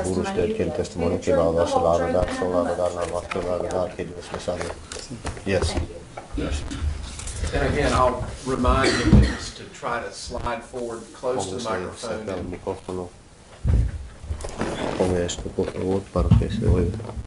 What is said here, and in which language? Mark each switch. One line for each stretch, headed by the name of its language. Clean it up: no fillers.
Spanish: por usted que el testimonio que va a dar la verdad, solo la verdad, nada más que la verdad que Dios le sabe.
English: Yes. And again, I'll remind you just to try to slide forward close to the microphone.
Spanish: Ponga esto, por favor, para que se oiga.